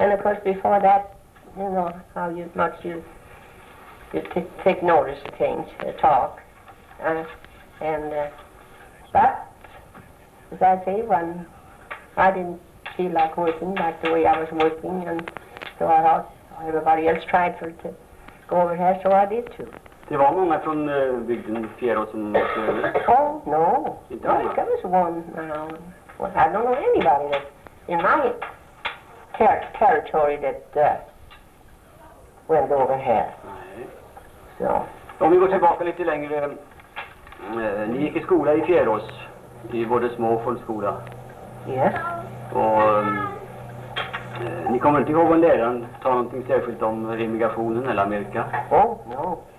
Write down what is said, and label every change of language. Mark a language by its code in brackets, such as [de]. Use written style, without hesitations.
[en] And of course before that, you know, how much you take notice of things, talk. But, as I say, when I didn't feel like working like the way I was working, and so I thought everybody else tried for it to go over here, so I did too. [sv] Det var många från bygden Fjärå som åkte över. [en] Oh, no. [sv] Inte många. [en] There was one. Well, I don't know anybody that in my territory that went over here. [sv] Nej. Så. Om vi går tillbaka lite längre. Ni gick i skola i Fjärås. I både små och folkskola. [en] Yes. [sv] Och ni kommer inte ihåg om läraren tar någonting särskilt om immigrationen eller Amerika? [en] Oh, no.